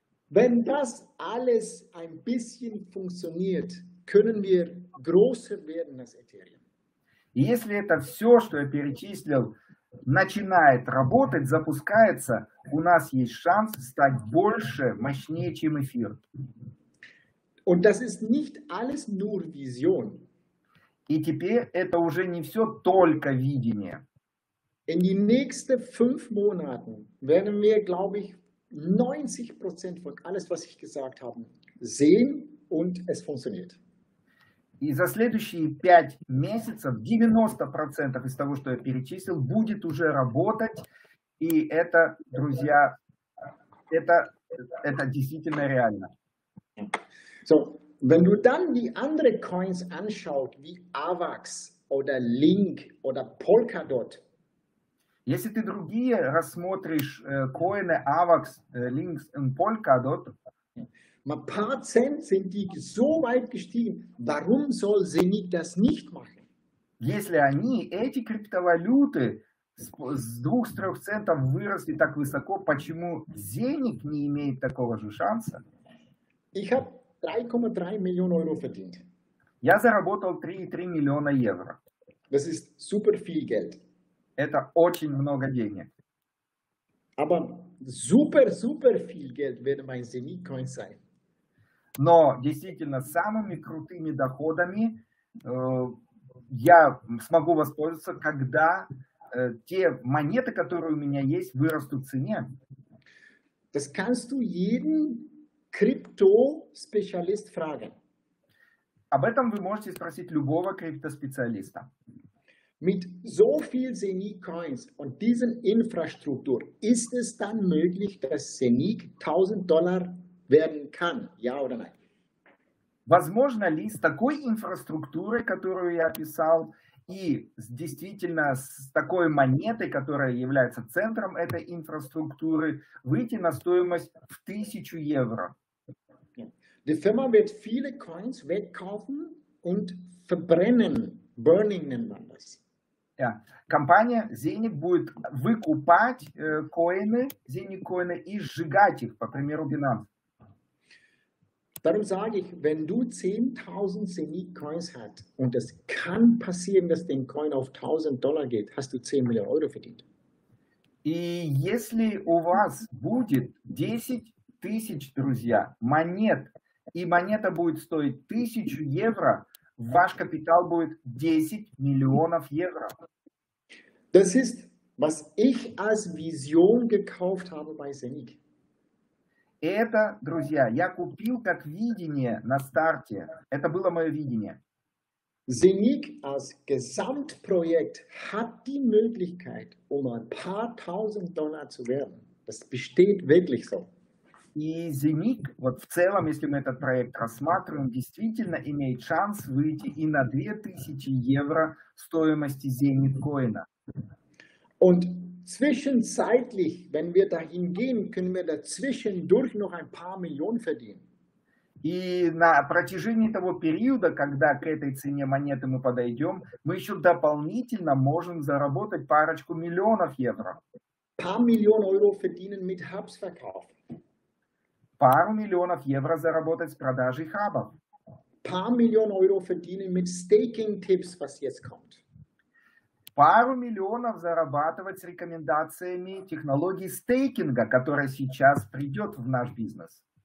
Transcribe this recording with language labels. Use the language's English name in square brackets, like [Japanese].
[German] Wenn das alles ein bisschen funktioniert, können wir größer werden als Ethereum. [Russian] Если это все, что я перечислил, начинает работать, запускается, у нас есть шанс стать больше, мощнее, чем эфир. [German] Und das ist nicht alles nur Vision. [Russian] И теперь это уже не все только видение. [German] In die nächsten 5 Monaten werden wir, glaube ich, 90% von alles, was ich gesagt habe, sehen und es funktioniert. [Russian] И за следующие 5 месяцев 90% из того, что я перечислил, будет уже работать. И это, друзья, это действительно реально. [German] So, wenn du dann die andere coins anschaust, wie AVAX oder LINK oder Polkadot. [Russian] Если ты другие рассмотришь коины AVAX, LINK [German] und [Russian] Polkadot. [German] Ein paar Cent sind die so weit gestiegen. Warum soll Zenik das nicht machen? [Russian] Если они, эти криптовалюты, с 2-3 центов выросли так высоко, почему Zenik не имеет такого же шанса? [German] Ich habe 3,3 Millionen Euro verdient. [Russian] Я заработал 3,3 миллиона евро. [German] Das ist super viel Geld. [Russian] Это очень много денег. [German] Aber super, super viel Geld wird mein Zenik Coin sein. [Russian] Но действительно самыми крутыми доходами я смогу воспользоваться, когда те монеты, которые у меня есть, вырастут в цене. [German] Das kannst du jeden [Russian] крипто специалист [German] fragen. [Russian] Об этом вы можете спросить любого криптоспециалиста. [German] Mit so viel Zenith-Coins und diesen Infrastruktur, ist es dann möglich, dass Zenith $1000 werden kann? Ja oder nein? [Russian] Возможно ли с такой инфраструктурой, которую я описал, и действительно с такой монетой, которая является центром этой инфраструктуры, выйти на стоимость в 1000 евро? [German] Die Firma wird viele Coins wegkaufen und verbrennen, burning nennt man das. [Russian] Ja, компания Zenith будет выкупать коины, Zenith коины и сжигать их, по примеру Binance. [German] Darum sage ich, wenn du 10.000 Zenith Coins hast und es kann passieren, dass dein Coin auf $1000 geht, hast du 10 Millionen Euro verdient. [Russian] И если у вас будет 10.000, друзья, монет, и монета будет стоить 1000 евро, ваш капитал будет 10 миллионов евро. [German] Das ist, was ich als Vision gekauft habe bei Zenith. [Russian] Это, друзья, я купил как видение на старте. Это было мое видение. [German] Zenith als Gesamtprojekt hat die Möglichkeit, um ein paar tausend Dollar zu werden. Das besteht wirklich so. [Russian] И Zenith, вот в целом, если мы этот проект рассматриваем, действительно имеет шанс выйти и на 2000 евро стоимости Zenith коина. [German] Und zwischenzeitlich, wenn wir dahin gehen, können wir dazwischendurch noch ein paar Millionen verdienen. [Russian] И на протяжении того периода, когда к этой цене монеты мы подойдем, мы еще дополнительно можем заработать парочку миллионов евро. [German] Paar Millionen Euro verdienen mit Hubs verkauf. [Russian] Пару миллионов евро заработать с продажей хабов. [German] Paar Millionen Euro verdienen mit Staking Tipps, was jetzt kommt. [Russian] Пару миллионов зарабатывать с рекомендациями технологии стейкинга, которая сейчас придет в наш бизнес.